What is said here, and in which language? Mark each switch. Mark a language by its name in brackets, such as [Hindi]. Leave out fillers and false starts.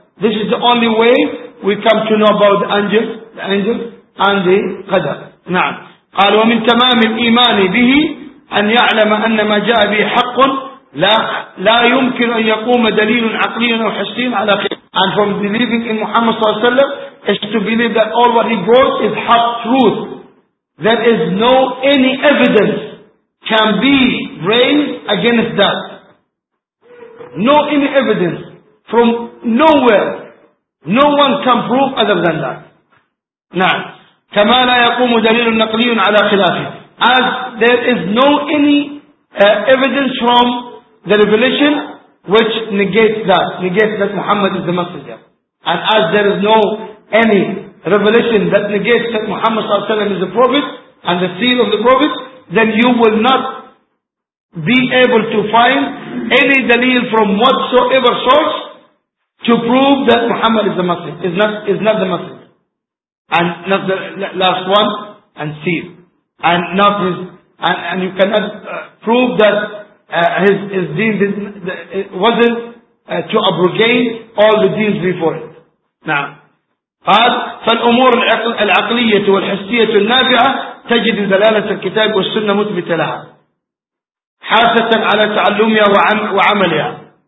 [English] This is the only way we come to know about the angels and the qadr. [Arabic] نعم. قال ومن تمام الإيمان به أن يعلم أن ما جاء به حق لا يمكن أن يقوم دليل عقلي أو حسي على خلافه. [English] And from believing in Muhammad [Arabic] صلى الله عليه وسلم [English] is to believe that all what he brought is hard truth. There is no any evidence can be raised against that. No any evidence from nowhere. No one can prove other than that. [Arabic] نعم. كما لا يقوم دليل نقلي على خلافه. [English] As there is no any evidence from the revelation which negates that Muhammad is the messenger. And as there is no any revelation that negates that Muhammad sallallahu alaihi wasallam is the prophet and the seal of the prophet, then you will not be able to find any dalil from whatsoever source to prove that Muhammad is the messenger, is not the messenger. And not the last one, and seed, and not his, and you cannot prove that his deen wasn't to abrogate all the deens before it. [Arabic] نعم. قال فالأمور العقلية والحسية النافعة تجد دلالة الكتاب والسنة مثبتة لها حاسة على تعلمها وعملها.